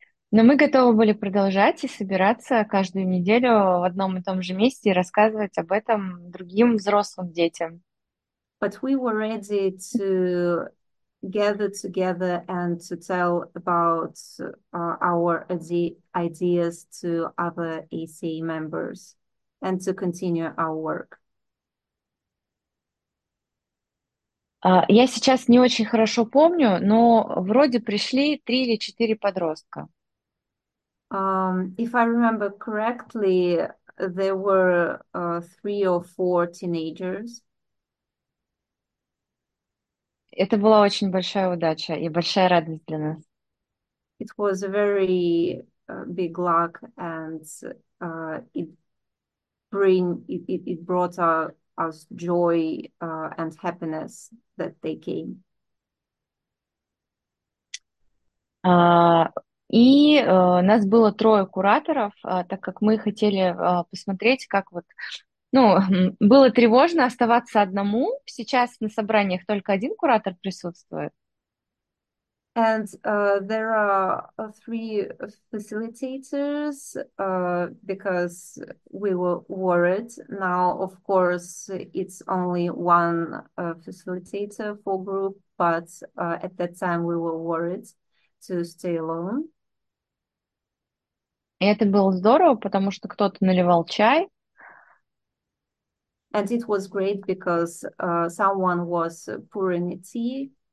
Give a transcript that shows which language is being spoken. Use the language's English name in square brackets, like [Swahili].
[Russian] Но мы готовы были продолжать и собираться каждую неделю в одном и том же месте и рассказывать об этом другим взрослым детям. [English] But we were ready to gather together and to tell about our ideas to other AC members and to continue our work. [Russian] Я сейчас не очень хорошо помню, но вроде пришли три или четыре подростка. [English] If I remember correctly, there were three or four teenagers. [Russian] Это была очень большая удача и большая радость для нас. [English] It was a very big luck, and it brought us joy and happiness that they came. [Russian] Нас было трое кураторов, так как мы хотели посмотреть, как вот. Ну, было тревожно оставаться одному. Сейчас на собраниях только один куратор присутствует. [English] And there are three facilitators because we were worried. Now, of course, it's only one facilitator for group, but at that time we were worried to stay alone. [Russian] И это было здорово, потому что кто-то наливал чай. [English] And it was great because someone was pouring tea.